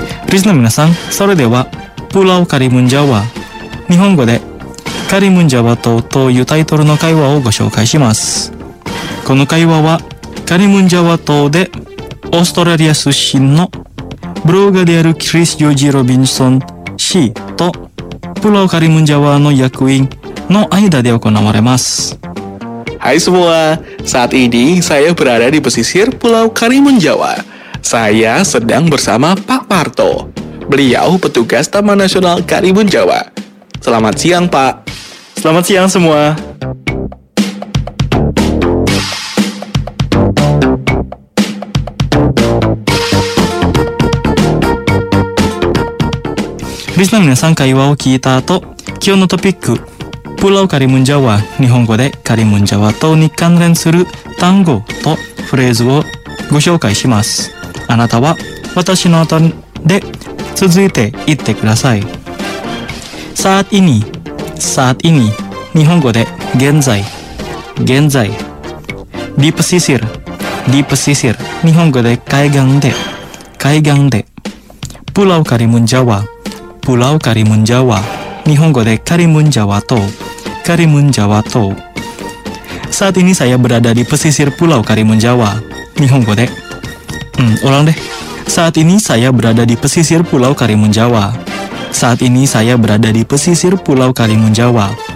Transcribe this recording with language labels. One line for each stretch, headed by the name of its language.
Japanese: リスナー皆さん、それではプラオカリムンジャワ、日本語でカリムンジャワ島というタイトルの会話をご紹介します。この会話はカリムンジャワ島でオーストラリア出身のブロガーであるクリス・ヨジ・ロビンソン市とプロカリムンジャワの役員の間で行われます。
Indonesian: Hai semua, saat ini saya berada di pesisir Pulau Karimun Jawa. Saya sedang bersama Pak Parto. Beliau petugas Taman Nasional Karimun Jawa. Selamat siang, Pak. Selamat siang semua.
Japanese: Rizna minasan kaiwa o kiita to, kyou no topikku. プラオカリムンジャワ、日本語でカリムンジャワと日関連する単語とフレーズをご紹介します。あなたは私の後で続いて言ってください。サーティニー、サーティニー、日本語で現在、現在。ディープシシル、ディープシシル、日本語で海岸で、海岸で。プラオカリムンジャワ、プラオカリムンジャワ、日本語でカリムンジャワとカリムンジャワ島。
Indonesian: Saat ini saya berada di pesisir Pulau Karimun Jawa.
Japanese: Nihongo de.
Indonesian: Ulang deh. Saat ini saya berada di pesisir Pulau Karimun Jawa. Saat ini saya berada di pesisir Pulau Karimun Jawa.